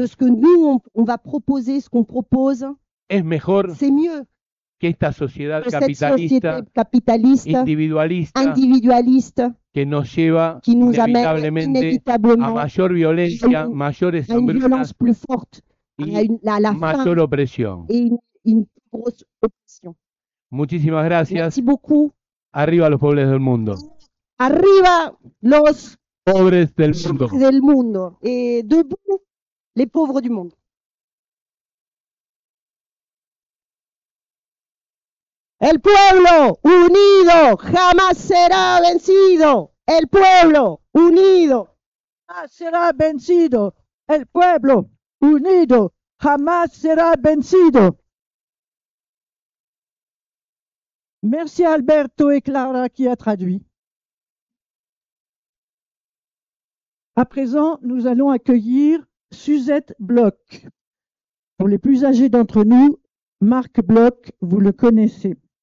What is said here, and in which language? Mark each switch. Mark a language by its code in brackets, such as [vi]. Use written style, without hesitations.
[fr] de ce que nous on va proposer, ce qu'on propose, [es] es mejor, [fr] c'est mieux [es] que esta sociedad capitalista, individualista, [fr] individualiste, [es] que nos lleva [fr] qui nous amène inévitablement [es] a mayor violencia, a mayores hombres, [fr] une violence plus forte, [es] a la mayor opresión [fr] et une grosse oppression. [es] Muchísimas gracias. [fr] Merci beaucoup. [es] Arriba los pobres del mundo. Arriba los pobres del mundo. Del mundo. [fr] Debout les pauvres du monde. [es] El pueblo unido jamás será vencido. El pueblo unido jamás será vencido. El pueblo unido jamás será vencido. [fr] Merci Alberto et Clara qui a traduit. À présent, nous allons accueillir Suzette Bloch. Pour les plus âgés d'entre nous, Marc Bloch, vous le connaissez.